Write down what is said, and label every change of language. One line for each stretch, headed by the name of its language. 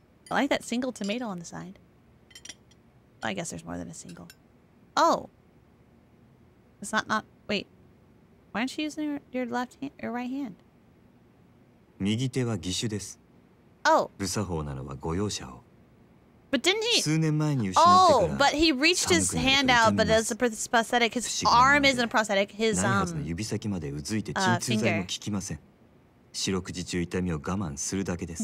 English: I like that single tomato on the side. I guess there's more than a single. Oh. It's not. Wait. Why aren't you using your left hand, your right hand?
Japanese: 右手は義手です。不作法ならばご容赦を。
English: But didn't he?
Japanese: 数年前に失ってから。
English: Oh, but he reached his hand out, but as a prosthetic, his arm isn't a prosthetic. His
Japanese: 指先までうずいて鎮痛剤も効きません。四六時中痛みを我慢するだけです。